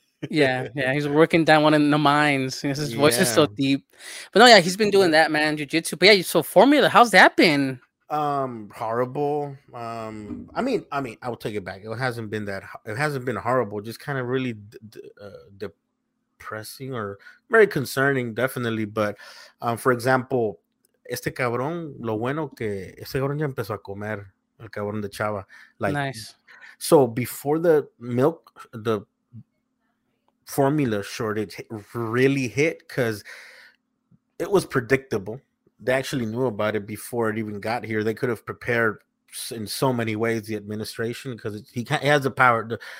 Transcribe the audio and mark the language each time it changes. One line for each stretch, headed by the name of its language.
English: yeah, he's working down one in the mines. His voice is so deep. But no, yeah, he's been doing that, man, jiu-jitsu. But yeah, so formula, how's that been? Horrible. I mean, I will take it back. It hasn't been horrible. Just kind of really depressing or very concerning, definitely. But for example,
Spanish: este cabrón, lo bueno que este cabrón ya empezó a comer, el cabrón de Chava.
English: Like, nice. So before the milk, the formula shortage really hit, because it was predictable. They actually knew about it before it even got here. They could have prepared in so many ways, the administration, because he has the power.